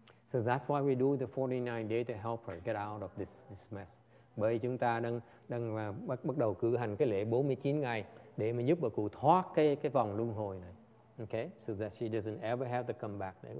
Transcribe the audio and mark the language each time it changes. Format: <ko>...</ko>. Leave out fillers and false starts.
<en>So that's why we do the 49 day to help her get out of this mess.</en> <vi>Bởi chúng ta đang bắt đầu cử hành cái lễ 49 ngày để mà giúp bà cụ thoát cái vòng luân hồi này.</vi> <en>Okay, so that she doesn't ever have to come back.</en>